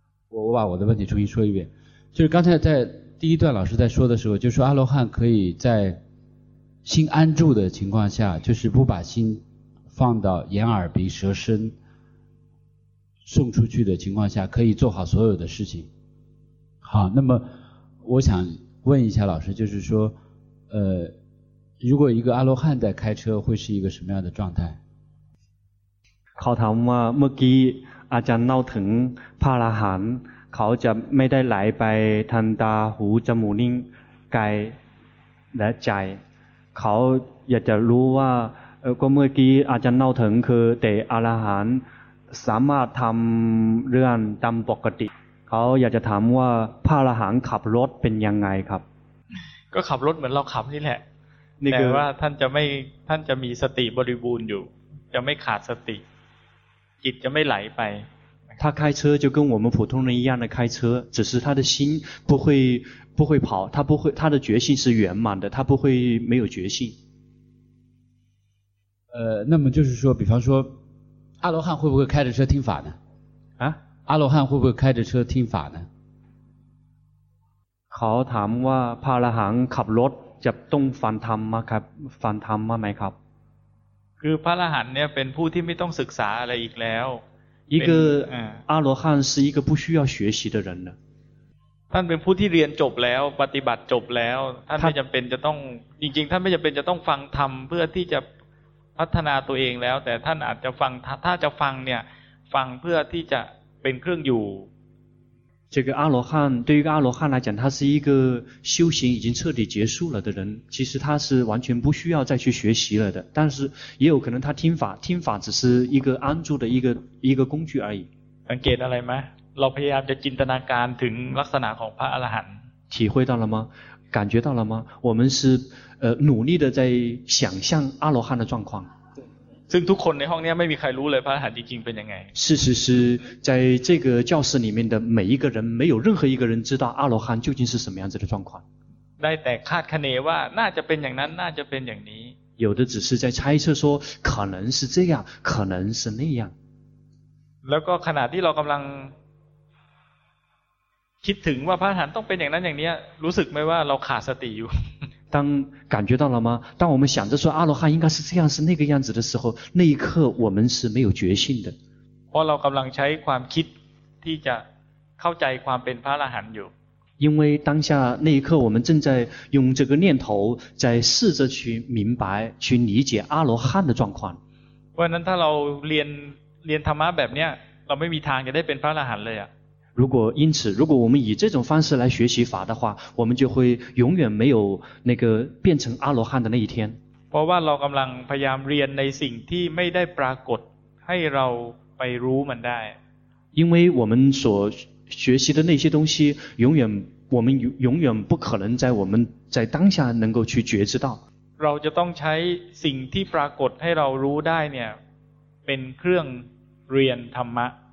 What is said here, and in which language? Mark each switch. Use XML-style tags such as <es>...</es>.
<zh>我把我的问题重新说一遍就是刚才在第一段老师在说的时候就是说阿罗汉可以在心安住的情况下就是不把心放到眼耳鼻舌身送出去的情况下可以做好所有的事情好那么我想问一下老师就是说如果一个阿罗汉在开车会是一个什么样的状态</zh> <th>เขาถามว่าเมื่อกี้อาจารย์เล่าถึงพระอรหันต์เขาจะไม่ได้ไหลไปทันตาหูจมูกนิ้วกายและใจเขาอยากจะรู้ว่าก็เมื่อกี้อาจารย์เล่าถึงคือแต่อรหันต์สามารถทำเรื่องตามปกติเขาอยากจะถามว่าพระอรหันต์ขับรถเป็นยังไงครับ ก็ขับรถเหมือนเราขับนี่แหละแต่ว่าท่านจะไม่ท่านจะมีสติบริบูรณ์อยู่จะไม่ขาดสติจิตจะไม่ไหลไป</th> <zh>ถ้า开车就跟我们普通人一样的开车只是他的心不会跑他不会他的觉性是圆满的他不会没有觉性那么就是说比方说阿罗汉会不会开着车听法呢啊阿罗汉会不会开着车听法呢？</zh> <th>เขาถามว่าพระอรหันต์ขับรถจะต้องฟังธรรมไหมครับฟังธรรมไหมครับ คือพระอรหันต์เนี่ยเป็นผู้ที่ไม่ต้องศึกษาอะไรอีกแล้ว</th> <zh>一个阿罗汉是一个不需要学习的人了</zh> <th>ท่านเป็นผู้ที่เรียนจบแล้วปฏิบัติจบแล้วท่านไม่จำเป็นจะต้องจริงๆท่านไม่จำเป็นจะต้องฟังธรรมเพื่อที่จะพัฒนาตัวเองแล้วแต่ท่านอาจจะฟังถ้าจะฟังเนี่ยฟังเพื่อที่จะเป็นเครื่องอยู่</th> <zh>这个阿罗汉对于阿罗汉来讲他是一个修行已经彻底结束了的人其实他是完全不需要再去学习了的但是也有可能他听法只是一个安住的一个工具而已</zh> <th>สังเกตอะไรไหมเราพยายามจะจินตนาการถึงลักษณะของพระอรหันต์</th> <zh>体会到了吗感觉到了吗我们是努力的在想象阿罗汉的状况</zh> <th>ซึ่งทุกคนในห้องนี้ไม่มีใครรู้เลยพระอรหันต์จริงๆเป็นยังไง</th> <zh>事实是在这个教室里面的每一个人没有任何一个人知道阿罗汉究竟是什么样子的状况</zh> <th>ได้แต่คาดคะเนว่าน่าจะเป็นอย่างนั้นน่าจะเป็นอย่างนี้</th> <zh>有的只是在猜测说可能是这样可能是那样</zh> <th>แล้วก็ขณะที่เรากำลังคิดถึงว่าพระอรหันต์ต้องเป็นอย่างนั้นอย่างนี้รู้สึกไหมว่าเราขาดสติอยู่</th> <zh>当感觉到了吗？当我们想着说阿罗汉应该是这样，是那个样子的时候，那一刻我们是没有觉性的。</zh> <th>เพราะเรากำลังใช้ความคิดที่จะเข้าใจความเป็นพระอรหันต์อยู่。</th> <zh>因为当下那一刻，我们正在用这个念头在试着去明白、去理解阿罗汉的状况。</zh> <th>เพราะนั้นถ้าเราเรียนธรรมะแบบเนี้ยเราไม่มีทางจะได้เป็นพระอรหันต์เลยอ่ะ。</th> <zh>如果因此，如果我们以这种方式来学习法的话，我们就会永远没有那个变成阿罗汉的那一天。</zh> <th>เพราะว่าเรากำลังพยายามเรียนในสิ่งที่ไม่ได้ปรากฏให้เราไปรู้มันได้。</th> <zh>因为我们所学习的那些东西，我们永远不可能在我们在当下能够去觉知到。</zh> <th>เราจะต้องใช้สิ่งที่ปรากฏให้เรารู้ได้เนี่ยเป็นเครื่องเรียนธรรมะ。</th>